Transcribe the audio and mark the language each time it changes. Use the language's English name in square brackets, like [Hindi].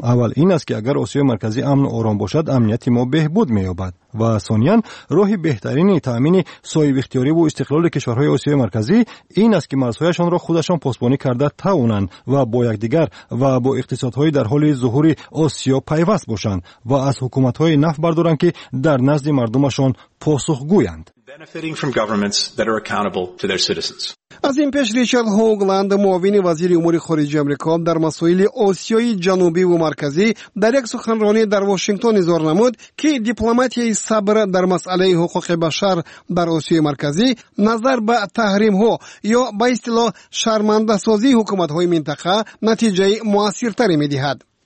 [Tajik] Авал ин аст ки агар Осиёи Марказӣ амн ором бошад, амнияти мо беҳбуд меёбад ва сониян роҳи беҳтарини таъмини соҳибихтиёрӣ ва истиқлоли кишварҳои Осиёи Марказӣ ин аст ки марзҳояшонро худашон посбонӣ карда тавонанд ва бо якдигар ва бо иқтисодҳои дар ҳоли зуҳури Осиё пайваст бошанд ва аз ҳукуматҳои наф бардоранд ки дар назди мардумашон посухгӯянд. [English] Benefiting from governments that are accountable to their citizens. [Tajik] Аз ин пеш Ричард Хоугланд, муовини вазири умури хориҷи Амрико, дар масоили Осиёи Ҷанубӣ ва Марказӣ дар як суханронӣ дар Вашингтон изҳор намуд ки дипломатияи сабр дар масъалаи ҳуқуқи башар дар Осиёи Марказӣ назар ба таҳримҳо ё ба истилоҳ шармандасозии ҳукуматҳои минтақа натиҷаи муассиртаре медиҳад.